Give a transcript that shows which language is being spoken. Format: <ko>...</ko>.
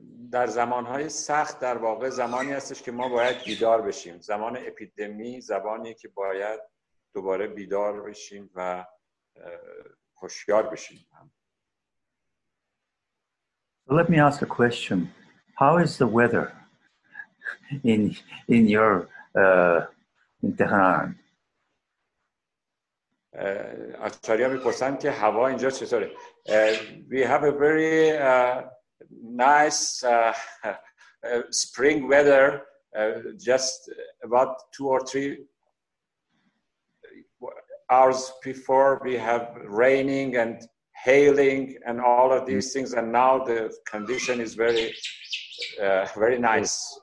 <fa>در زمانهای سخت در واقع زمانی هستش که ما باید بیدار بشیم. زمان اپیدمی زمانی که باید دوباره بیدار بشیم و هوشیار بشیم.</fa> <en>Let me ask a question. How is the weather in your in Tehran?</en> <fa>آچاریا میپرسن که هوا اینجا چطوره.</fa> <en>We have a very nice spring weather just about 2 or 3 hours before we have raining and hailing and all of these things, and now the condition is very very nice.</en>